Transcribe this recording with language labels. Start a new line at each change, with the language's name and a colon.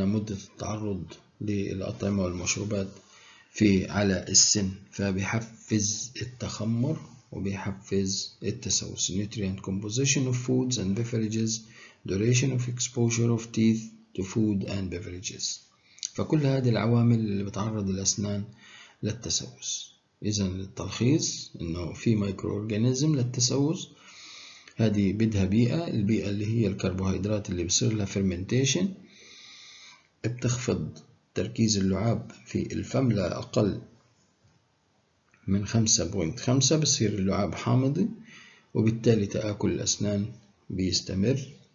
Arabic: هنا مدة التعرض للأطعمة والمشروبات في على السن، فبيحفز التخمر وبيحفز التسوس.
English: Nutrient composition of foods and beverages, duration of exposure of teeth to food and beverages.
Arabic: فكل هذه العوامل اللي بتعرض الأسنان للتسوس. إذا التلخيص إنه في مايكرو أورجانيزم للتسوس، هذه بدها بيئة، البيئة اللي هي الكربوهيدرات اللي بصير لها فرمنتيشن، بتخفض تركيز اللعاب في الفم لأقل من 5.5، بصير اللعاب حامضي وبالتالي تآكل الأسنان بيستمر.